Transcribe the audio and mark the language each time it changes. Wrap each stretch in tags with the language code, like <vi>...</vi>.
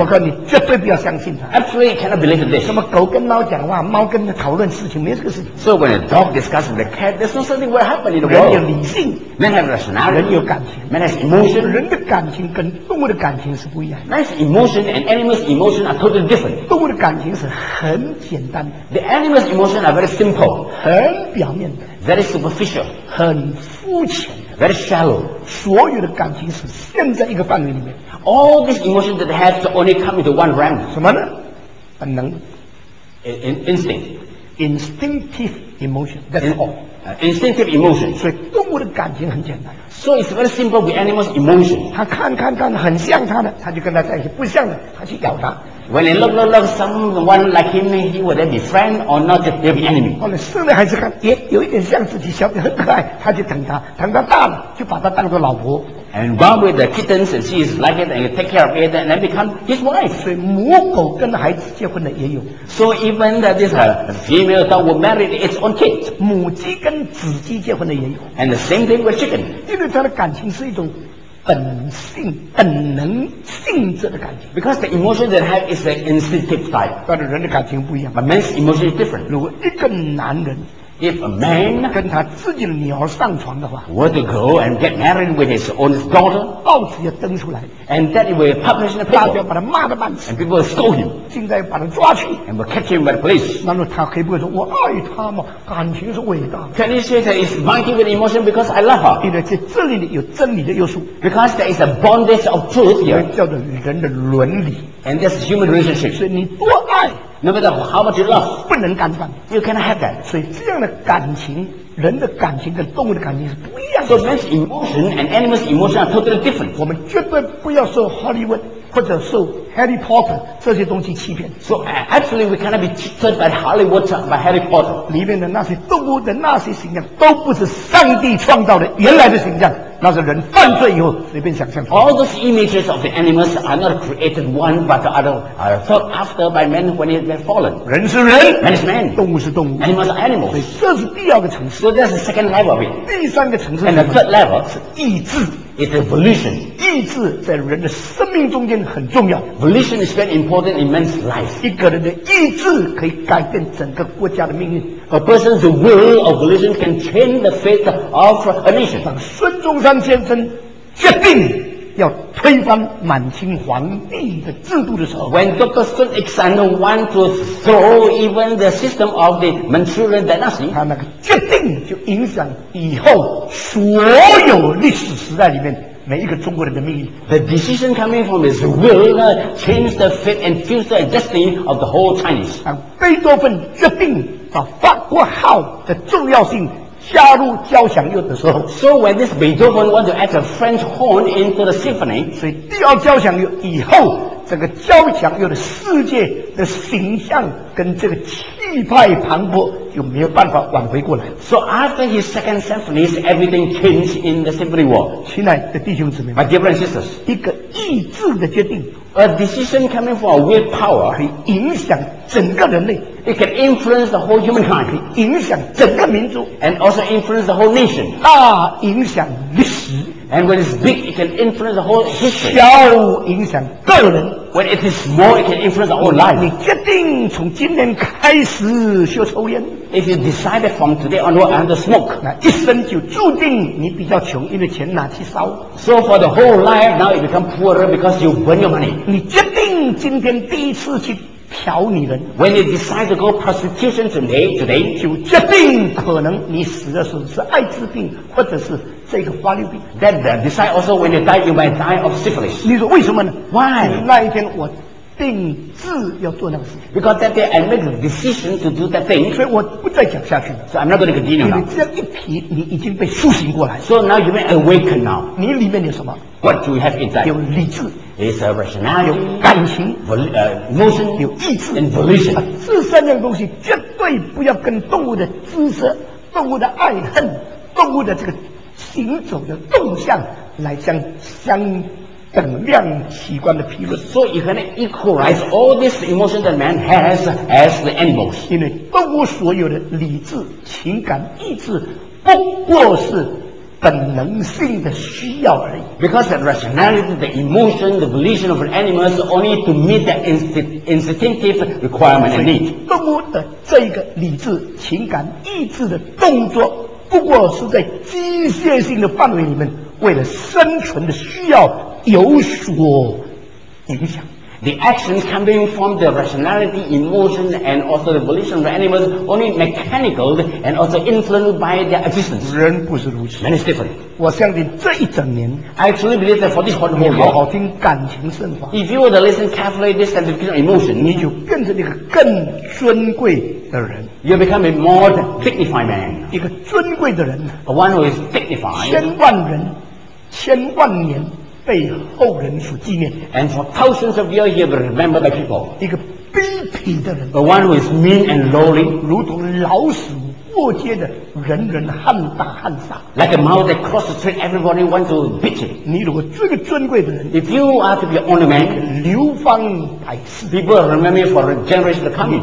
<zh>我告诉你，绝对不要相信他。</zh> <en>Absolutely cannot believe this.</en> <zh>什么狗跟猫讲话，猫跟他讨论事情，没这个事情。</zh> <en>So when a dog discusses with a cat, there's no something will happen in the world.</en> <zh>人有理性</zh> <en>，man has rationality.</en> <zh>人有感情</zh> <en>，man has emotion.</en> <zh>人的感情跟动物的感情是不一样的。</zh> <en>Man's emotion and animal's emotion are totally different.</en> <zh>动物的感情是很简单的。</zh> <en>The animal's emotion are very simple.</en> <zh>很表面的。</zh> <en>Very superficial.</en> <zh>很肤浅。</zh> <en>Very shallow.</en> <zh>所有的感情是陷在一个范围里面。</zh> <en>All these emotions that have to only come into one realm.</en> <zh>什么呢？本能。</zh> <en>Instinct. Instinctive emotion. That's all. Instinctive emotion.</en> <zh>所以动物的感情很简单。</zh> <en>So it's very simple with animals' emotion.</en> <zh>他看看看很像他的，他就跟他在一起；不像的，他去咬他。</zh> <en>When he love someone like him, he will then be friend or not just be enemy.</en> <zh>后来生了孩子看，也有一点像自己小的，很可爱，他就疼他，疼他大了，就把他当做老婆。</zh> <en>And run with the kittens and she is like it and take care of it and then become his wife.</en> <zh>所以母狗跟孩子结婚的也有。</zh> <en>So even that this female dog will marry its own kids.</en> <zh>母鸡跟子鸡结婚的也有。</zh> <en>And the same thing with chicken.</en> <zh>因为它的感情是一种本性本能性质的感情。</zh> <en>Because the emotion that have is an instinctive type.</en> <zh>但是人的感情不一样。</zh> <en>But man's emotion is different.</en> <zh>如果一个男人</zh> <en>If a man</en> <zh>跟他自己的女儿上床的话</zh> <en>were to go and get married with his own daughter,</en> <zh>报纸要登出来</zh> <en>and that he will publish in the paper,</en> <zh>大家要把他骂得半死</zh> <en>and people will scold him,</en> <zh>现在要把他抓去</zh> <en>and will catch him by the police.</en> <zh>那么他可以不会说我爱他吗？感情是伟大的。</zh> <en>Can he say that it's monkey with emotion because I love her?</en> <zh>因为在这里有真理的约束</zh> <en>because there is a bondage of truth here.</en> <zh>叫做人的伦理</zh> <en>and that's human relationship.</en> <zh>所以你多爱。</zh> <en>No matter how much you love,</en> <zh>不能干犯</zh> <en>You cannot have that.</en> <zh>所以这样的感情，人的感情跟动物的感情是不一样的。</zh> <en>So man's emotion and animal's emotion are totally different.</en> <zh>我们绝对不要受 Hollywood 或者受 Harry Potter 这些东西欺骗。</zh> <en>So absolutely we cannot be tricked by Hollywood or by Harry Potter.</en> <zh>里面的那些动物的那些形象都不是上帝创造的原来的形象。那是人犯罪以后随便想象。</zh> <en>All those images of the animals are not created one but the other are thought after by men when they have fallen.</en> <zh>人是人</zh> <en>，man is man，</en> <zh>动物是动物</zh> <en>，animals are animals。</en> <zh>这是第二个层次。</zh> <en>So that's the second level of it。</en> <zh>第三个层次。</zh> <en>And the third level</en> <zh>是意志</zh> <en>，it's volition。</en> <zh>意志在人的生命中间很重要。</zh> <en>Volition is very important in man's life。</en> <zh>一个人的意志可以改变整个国家的命运。</zh> <en>A person's will or volition can change the fate of a nation。</en> <zh>当孙中山先生决定要推翻满清皇帝的制度的时候</zh> <en>，When Dr. Sun Yat-sen want to throw even the system of the Manchurian dynasty，</en> <zh>他那个决定就影响以后所有历史时代里面。每一个中国人的命运</zh> <en>The decision coming from his will change the fate and future and destiny of the whole Chinese.</en> <zh>让贝多芬决定把法国号的重要性加入交响乐的时候</zh> <en>So when this Beethoven want to add a French horn into the symphony</en> <zh>所以第二交响乐以后这个交响乐的世界的形象跟这个气派磅礴就没有办法挽回过来。</zh> <en>So after his second symphony, everything changed in the symphony world.</en> <zh>亲爱的弟兄姊妹</zh> <en>，My dear brothers and sisters,</en> <zh>一个意志的决定</zh> <en>，a decision coming from a will power</en> <zh>可以影响整个人类</zh> <en>，it can influence the whole humankind，</en> <zh>可以影响整个民族</zh> <en>，and also influence the whole nation，</en> <zh>大影响历史。</zh> <en>And when it's big, it can influence the whole history.</en> <zh>小影响个人。</zh> <en>When it is small, it can influence our life.</en> <zh>你决定从今天开始学抽烟。</zh> <en>If you decide from today onward, I'm the smoke.</en> <zh>那一生就注定你比较穷，因为钱拿去烧。</zh> <en>So for the whole life, now you become poorer because you burn your money.</en> <zh>你决定今天第一次去嫖女人。</zh> <en>When you decide to go prostitution today,</en> <zh>就决定可能你死的时候是艾滋病，或者是。这个花柳病</zh> <en>Then decide also when you die you might die of syphilis</en> <zh>你说为什么呢</zh> <en>Why</en> <zh>那一天我定志要做那个事情</zh> <en>Because that day I made a decision to do that thing</en> <zh>所以我不再讲下去了</zh> <en>So I'm not going to continue now</en> <zh>你这样一提你已经被苏醒过来</zh> <en>So now you may awaken now</en> <zh>你里面有什么</zh> <en>What do you have inside</en> <zh>有理智</zh> <en>It's a rationality</en> <zh>有感情</zh> <en>Emotion</en> <zh>有意志</zh> <en>And volition</en> <zh>这三样东西绝对不要跟动物的姿色动物的爱恨动物的这个行走的动向来相相等量器官的批论</zh> <en>So you can equalize all this emotion that man has as the animals</en> <zh>因为动物所有的理智情感意志不过是本能性的需要而已。</zh> <en>Because the rationality, the emotion, the volition of an animal is only to meet the instinctive requirement and need.</en> <zh>动物的这一个理智、情感、意志的动作，不过是在机械性的范围里面，为了生存的需要有所影响。</zh> <en>The actions coming from the rationality, emotion, and also the volition of animals only mechanical and also influenced by their existence.</en> <zh>人不是如此。</zh> <en>Man is different.</en> <zh>我相信这一整年</zh> <en>I truly believe that for this whole year,</en> <zh>你好好听感情圣话。</zh> <en>If you were to listen carefully this sentence of emotion,</en> <zh>你就变成一个更尊贵的人。</zh> <en>You become a more dignified man.</en> <zh>一个尊贵的人。</zh> <en>A one who is dignified.</en> <zh>千万人，千万年。被后人所纪念</zh> <en>and for thousands of years he will remember the people</en> <zh>一个卑鄙的人</zh> <en>the one who is mean and lowly</en> <zh>如同老鼠过街的人人喊打喊杀</zh> <en>like a mouse that crosses the street everybody wants to beat him</en> <zh>你如果这个尊贵的人</zh> <en>if you are to be an honored man</en> <zh>流芳百世</zh> <en>people will remember you for generations to come</en>